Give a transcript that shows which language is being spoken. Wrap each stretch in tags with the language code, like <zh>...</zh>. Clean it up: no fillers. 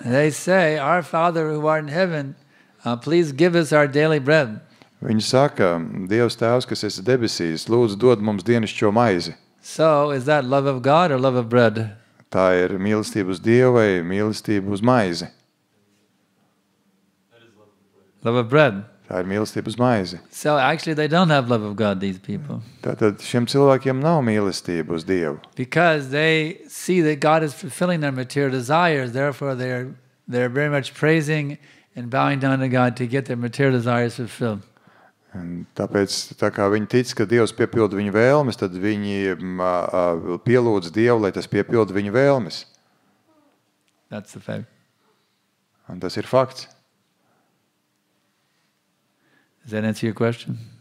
<en>They say, our Father who art in heaven, please give us our daily bread.</en> <lv>Viņi saka, Dievs Tēvs, kas esi debesīs, lūdzu dod mums dienišķo maizi.</lv> <en>So, is that love of God or love of bread?</en> <lv>Tā ir mīlestība uz Dievu vai mīlestība uz maizi?</lv> <en>Love of bread.</en> <lv>Tā ir mīlestība uz maizi.</lv> <en>So actually they don't have love of God, these people.</en> <lv>Tātad šiem cilvēkiem nav mīlestība uz Dievu.</lv> <en>Because they see that God is fulfilling their material desires, therefore they're very much praising and bowing down to God to get their material desires fulfilled.</en> <lv>Un tāpēc, tā kā viņi tic, ka Dievs piepilda viņu vēlmes, tad viņi pielūdz Dievu, lai tas piepilda viņu vēlmes.</lv> <en>That's the fact.</en> <lv>Un tas ir fakts.</lv> <en>Does that answer your question?</en>